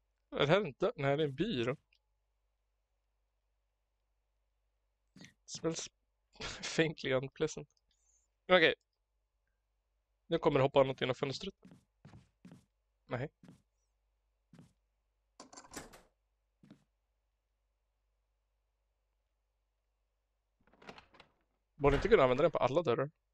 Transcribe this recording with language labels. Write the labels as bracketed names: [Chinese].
[Swedish] Det här är inte, nej, det är en byrå. [English] Smells faintly unpleasant. [Swedish] Okej. Nu kommer det hoppa något genom fönstret. Nej. Borde inte kunna använda den på alla dörrar.